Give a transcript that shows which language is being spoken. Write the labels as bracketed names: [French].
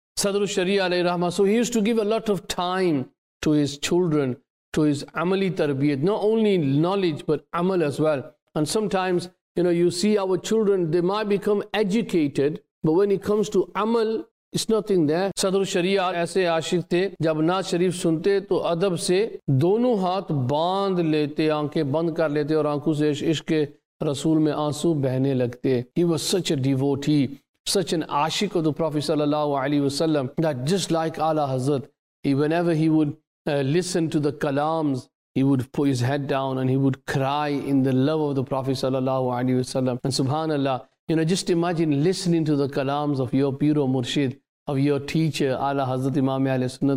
[English] Sadru Sharia alayhi rahmah, so he used to give a lot of time to his children, to his amali tarbiyat, not only knowledge but amal as well. And sometimes, you know, you see our children, they might become educated, but when it comes to amal, it's nothing there. [Urdu] صدر شریعہ ایسے عاشق تھے جب نعت شریف سنتے تو ادب سے دونوں ہاتھ باندھ لیتے آنکھیں بند کر لیتے اور آنکھوں سے عشق رسول میں آنسو بہنے لگتے. [English] He was such a devotee, such an عاشق of the Prophet صلی اللہ علیہ وسلم that just like Allah Hazrat, whenever he would listen to the kalams, he would put his head down and he would cry in the love of the Prophet صلی اللہ علیہ وسلم. And subhanAllah, you know, just imagine listening to the kalams of your Piro Murshid, of your teacher, Ala Hazrat Imam Ahl Sunnah.